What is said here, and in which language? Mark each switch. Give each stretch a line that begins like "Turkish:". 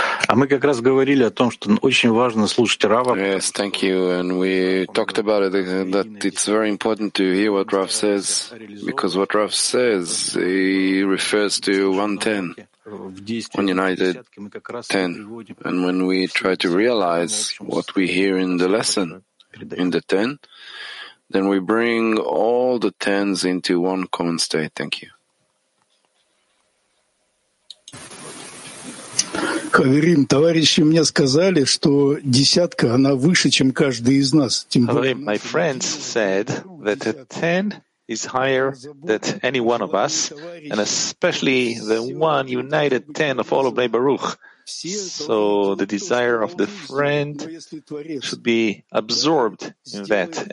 Russian: А мы как раз говорили о том, что очень важно слушать Рава.
English: Yes, thank you. And we talked about it, that it's very important to hear what Rav says, because what Rav says, he refers to 1:10, one united 10. And when we try to realize what we hear in the lesson, in the 10, then we bring all the 10s into one common state. Thank you.
Russian: Хаверим, товарищи мне сказали, что десятка, она выше, чем каждый из нас.
English: Хаверим, my friends said that a 10 is higher than any one of us, and especially the one united 10 of all of Bnei Baruch. So the desire of the friend should be absorbed in that.